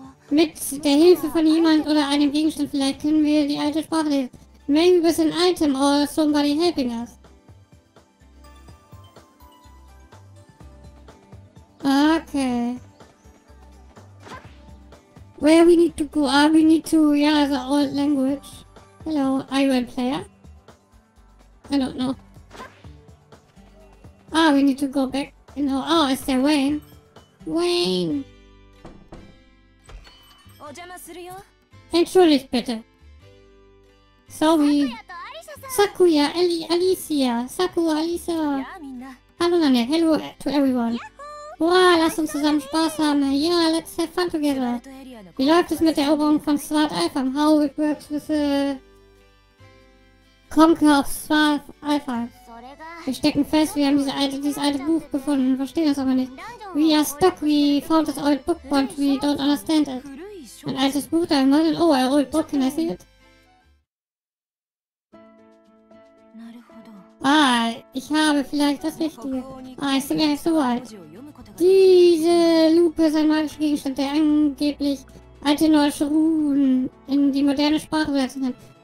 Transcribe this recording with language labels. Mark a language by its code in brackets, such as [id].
[de] Mit der Hilfe von jemand oder einem Gegenstand vielleicht können wir die alte Sprache lesen. [en] Maybe with an item or somebody helping us. Okay. Where we need to go? We need to, yeah, the old language. Hello, are you a player? I don't know. Ah, we need to go back. No, oh, is there Wayne? Wayne! [de] Entschuldigt bitte. Sorry. Sakuya, Alicia. [en] Sakura, Alicia. Hallo, Nanya. Hello to everyone. [de] Wow, lass uns zusammen Spaß haben. [en] Yeah, let's have fun together. [de] Wie läuft es mit der Eroberung von Svart Alpha? [en] How it works with the Conquer of Svart Alpha? [de] Wir stecken fest, wir haben dieses alte Buch gefunden, verstehen das aber nicht. [en] We are stuck, we found this old book, but we don't understand it. [de] Ein altes Buch, da ist ein [en] old book, can I see it? [de] Ah, ich habe vielleicht das Richtige. Ah, ich bin ja nicht so alt. Diese Lupe ist ein magischer Gegenstand, der angeblich alte nordische Runen in die moderne Sprache übersetzen kann.